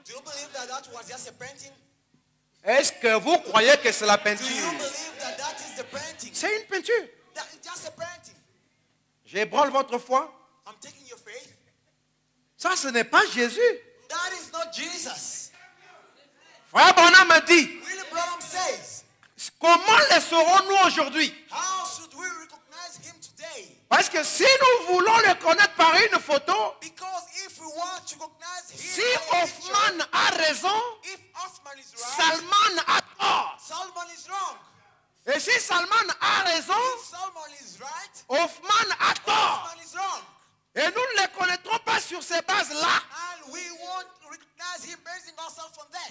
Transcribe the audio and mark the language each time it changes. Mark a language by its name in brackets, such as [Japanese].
[English] Do you believe that that was just a painting? [French] Est-ce que vous croyez que c'est la peinture? [English] Do you believe that that is the painting? [French] C'est une peinture. [English] That is just a painting. [French] J'ébranle votre foi. [English] I'm taking your faith. [French] Ça, ce n'est pas Jésus. [English] That is not Jesus. [French] Frère Branham a dit. [English] Willie Branham says. [French] Comment le saurons-nous aujourd'hui? [English] How should we recognize him today? [French] Parce que si nous voulons le connaître par une photo, [English] if we want to recognize him, [French] si Hoffman a raison, [English] if Hoffman is right, [French] Salman a tort. [English] Salman is wrong. [French] Et si Salman a raison, [English] if Salman is right, [French] Hoffman a tort. [English] Hoffman is wrong. [French] Et nous ne le connaîtrons pas sur ces bases-là. [English] And we won't recognize him basing ourselves on that.